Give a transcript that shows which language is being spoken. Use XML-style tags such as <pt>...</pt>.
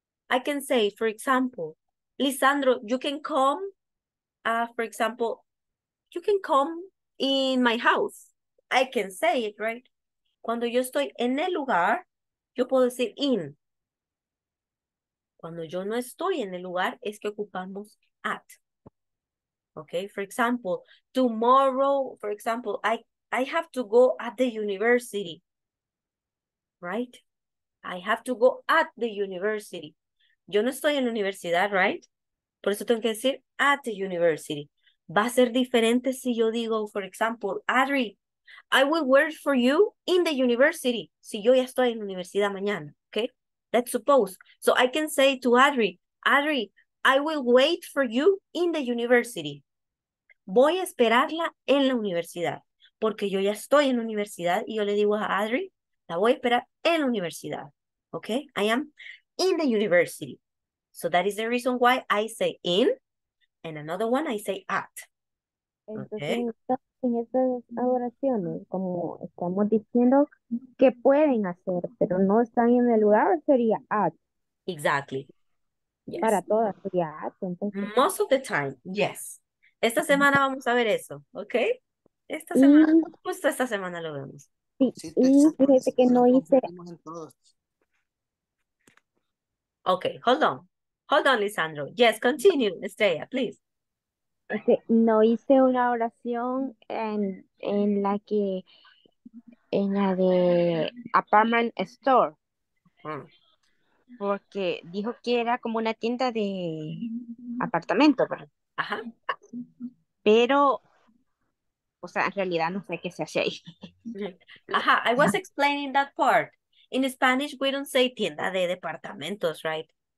<en>I can say, for example, Lisandro, you can come, for example, you can come in my house. I can say it, right?</en> <es>Cuando yo estoy en el lugar, yo puedo decir in. Cuando yo no estoy en el lugar, es que ocupamos at.</es> <en>Okay, for example, tomorrow, for example, I have to go at the university. Right? I have to go at the university.</en> <es>Yo no estoy en la universidad,</es> <en>right?</en> <es>Por eso tengo que decir</es> <en>at the university. Va a ser diferente si yo digo, for example, Adri, I will work for you in the university.</en> <es>Si yo ya estoy en la universidad mañana, okay?</es> <en>Let's suppose. So I can say to Adri, Adri, I will wait for you in the university.</en> <es>Voy a esperarla en la universidad. Porque yo ya estoy en la universidad y yo le digo a Adri, la voy a esperar en la universidad.</es> <en>Okay? I am in the university. So that is the reason why I say in and another one I say at. Okay?</en> <es>En estas oraciones, como estamos diciendo, que pueden hacer, pero no están en el lugar, sería at.</es> <en>Exactly. Yes.</en> <es>Para todas sería at. Entonces,</es> <en>most of the time, yes.</en> <es>Esta semana vamos a ver eso, ¿ok? Esta semana, y, justo esta semana lo vemos. Sí, y fíjate que no hice.</es> <en>Ok, hold on. Hold on, Lisandro. Yes, continue, Estrella, please. Okay.</en> <es>No hice una oración en la que en la de</es> <en>apartment store</en> <es>porque dijo que era como una tienda de apartamento, ¿verdad? Ajá. Pero o sea, en realidad no sé qué se hace ahí.</es> <en>Ajá, I was explaining that part. In Spanish we don't say</en> <es>tienda de departamentos,</es> <en>right?</en>